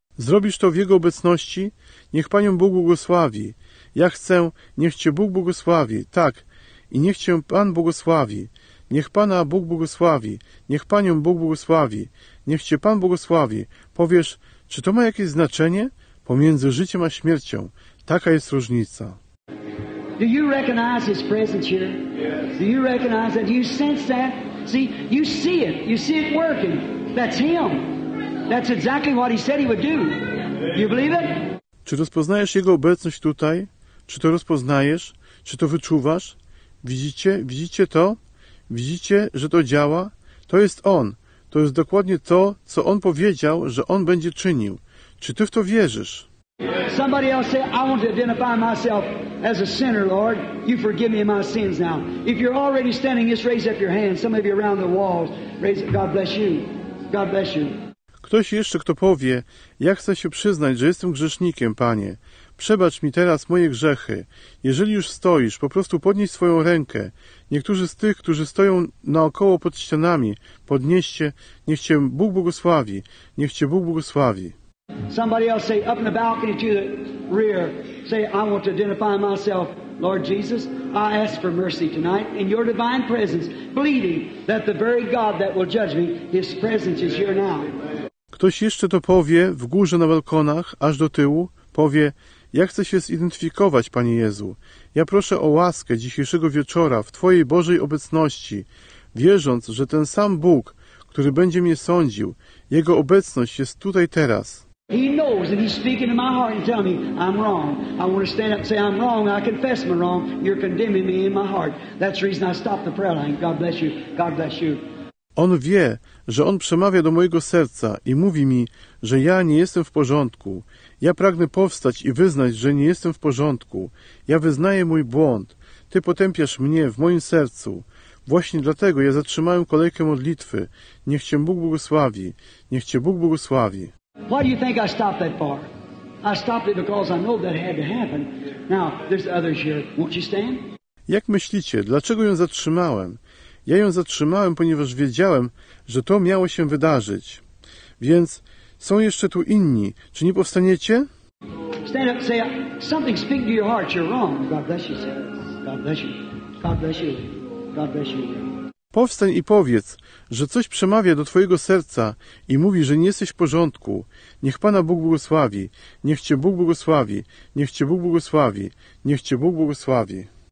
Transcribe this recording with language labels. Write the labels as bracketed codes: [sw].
[pl] Zrobisz to w Jego obecności? Niech Panią Bóg błogosławi. Ja chcę, niech Cię Bóg błogosławi. Tak, i niech Cię Pan błogosławi. Niech Pana Bóg błogosławi. Niech Panią Bóg błogosławi. Niech Cię Pan błogosławi. Powiesz, czy to ma jakieś znaczenie? Pomiędzy życiem a śmiercią. Taka jest różnica. [en] Do you recognize His presence here? Do you recognize that? Do you sense that? See, you see it. You see it working. That's Him. That's exactly what He said He would do. You believe it? [pl] Czy rozpoznajesz Jego obecność tutaj? Czy to rozpoznajesz? Czy to wyczuwasz? Widzicie? Widzicie to? Widzicie, że to działa? To jest On. To jest dokładnie to, co On powiedział, że On będzie czynił. Czy Ty w to wierzysz? [en] Somebody else said, I want to identify myself as a sinner, Lord. You forgive me of my sins now. If you're already standing, just raise up your hands. Some of you around the walls, raise it. God bless you. God bless you. [pl] Ktoś jeszcze, kto powie, ja chcę się przyznać, że jestem grzesznikiem, Panie. Przebacz mi teraz moje grzechy. Jeżeli już stoisz, po prostu podnieś swoją rękę. Niektórzy z tych, którzy stoją naokoło pod ścianami, podnieście, niech Cię Bóg błogosławi. Niech Cię Bóg błogosławi. [en] Somebody else say, up in the balcony to the rear, say, I want to identify myself, Lord Jesus. I ask for mercy tonight in your divine presence, believing that the very God that will judge me, His presence is here now. [pl] Ktoś jeszcze to powie w górze na balkonach, aż do tyłu, powie, ja chcę się zidentyfikować, Panie Jezu. Ja proszę o łaskę dzisiejszego wieczora w Twojej Bożej obecności, wierząc, że ten sam Bóg, który będzie mnie sądził, Jego obecność jest tutaj teraz. [en] He knows and He's speaking to my heart and telling me, I'm wrong. I want to stand up and say, I'm wrong. I confess my wrong. You're condemning me in my heart. That's the reason I stopped the prayer line. God bless you. God bless you. [pl] On wie, że On przemawia do mojego serca i mówi mi, że ja nie jestem w porządku. Ja pragnę powstać i wyznać, że nie jestem w porządku. Ja wyznaję mój błąd. Ty potępiasz mnie w moim sercu. Właśnie dlatego ja zatrzymałem kolejkę modlitwy. Niech Cię Bóg błogosławi. Niech Cię Bóg błogosławi. [en] Why do you think I stopped that far? I stopped it because I know that had to happen. Now, there's others here. Won't you stand? [pl] Jak myślicie, dlaczego ją zatrzymałem? Ja ją zatrzymałem, ponieważ wiedziałem, że to miało się wydarzyć. Więc są jeszcze tu inni. Czy nie powstaniecie? [en] Stand up and say, something speak to your heart. You're wrong. God bless you, sir. God bless you. God bless you. God bless you. [pl] Powstań i powiedz, że coś przemawia do Twojego serca i mówi, że nie jesteś w porządku. Niech Pana Bóg błogosławi. Niech Cię Bóg błogosławi. Niech Cię Bóg błogosławi. Niech Cię Bóg błogosławi.